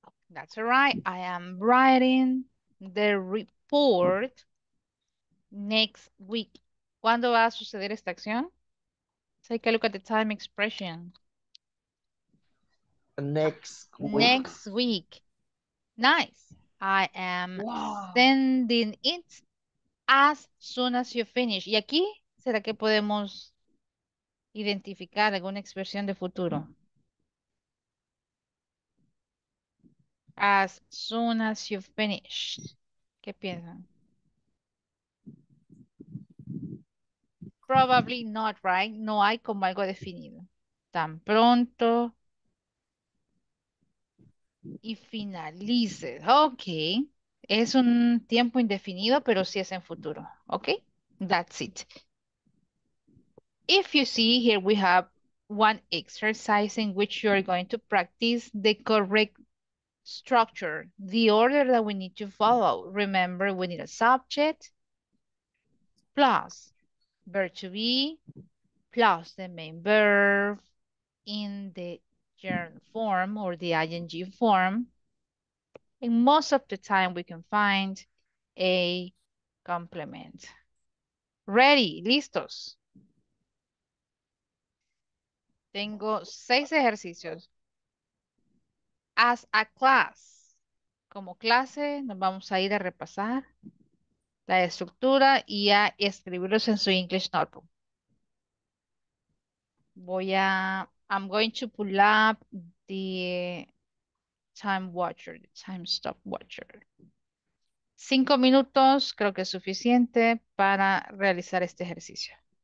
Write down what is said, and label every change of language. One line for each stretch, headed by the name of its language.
English: That's right. I am writing the report next week.
Spanish: ¿Cuándo va a suceder esta acción?
English: Take a look at the time expression. Next week. Nice. I am sending it as soon as you finish.
Spanish: ¿Y aquí será que podemos identificar alguna expresión de futuro?
English: As soon as you finish.
Spanish: ¿Qué piensan?
English: Probably not, right?
Spanish: No hay como algo definido. Tan pronto y finalice. Ok. Es un tiempo indefinido, pero sí es en futuro.
English: Ok. That's it. If you see here, we have one exercise in which you are going to practice the correct structure, the order that we need to follow. Remember, we need a subject plus verb to be plus the main verb in the gerund form or the ing form. And most of the time, we can find a complement. Ready, listos.
Spanish: Tengo 6 ejercicios.
English: As a class,
Spanish: como clase, nos vamos a ir a repasar la estructura y a escribirlos en su English notebook.
English: I'm going to pull up the time watcher, the time stop watcher.
Spanish: 5 minutos, creo que es suficiente para realizar este ejercicio.